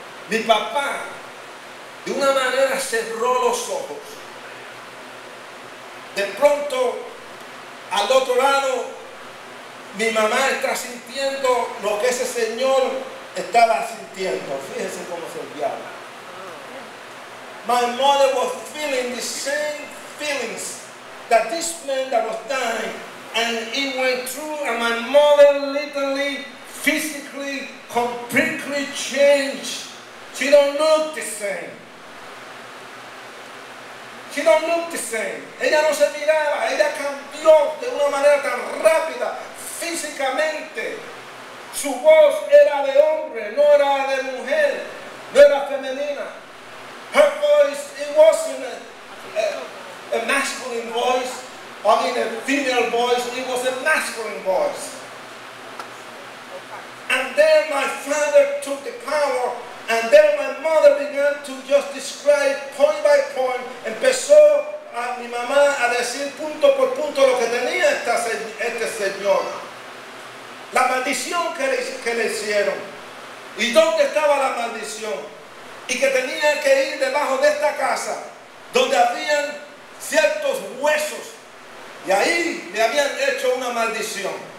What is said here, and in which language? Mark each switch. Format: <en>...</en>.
<es>Mi papá, de una manera, cerró los ojos. De pronto, al otro lado, mi mamá está sintiendo lo que ese señor estaba sintiendo. Fíjense cómo se diablo.</es> <en>My mother was feeling the same feelings that this man that was dying, and it went through, and my mother literally, physically, completely changed. She don't look the same. She don't look the same.</en> <es>Ella no se miraba, ella cambió de una manera tan rápida, físicamente. Su voz era de hombre, no era de mujer, no era femenina.</es> <en>Her voice, it wasn't a masculine voice, I mean a female voice, it was a masculine voice. And then my father took the power, and then my mother began to just describe point by point.</en> <es>Empezó a mi mamá a decir punto por punto lo que tenía este señor. La maldición que le hicieron. que le hicieron y dónde estaba la maldición, y que tenía que ir debajo de esta casa donde habían ciertos huesos, y ahí le habían hecho una maldición.</es>